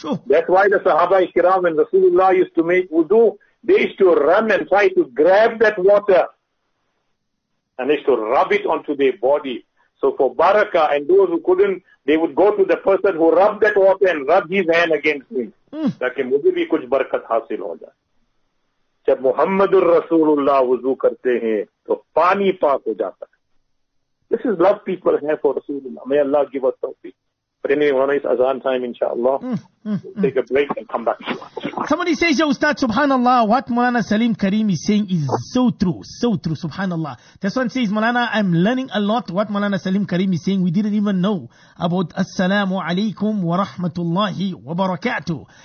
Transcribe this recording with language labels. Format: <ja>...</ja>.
<en>That's why the Sahaba Ikram and Rasulullah used to make wuzu, they used to run and try to grab that water and they used to rub it onto their body. So for barakah and those who couldn't, they would go to the person who rubbed that water and rub his hand against me.</en> <ur>Taki mujhe bhi kuch barakat hasil ho jaye. جب محمد الرسول اللہ وضو کرتے ہیں تو پانی پاک ہو جاتا ہے.</ur> <en>This is love people have for Rasulullah. May Allah give us tawfiq. But anyway, when it's Azan time, inshallah, take a break and come back. Somebody says, yo, Ustaz, subhanallah, what Mulana Salim Karim is saying is so true. So true, subhanallah. This one says, Mulana, I'm learning a lot what Mulana Salim Karim is saying. We didn't even know about</en> <ar>Assalamu alaikum wa rahmatullahi wa barakatuh.</ar>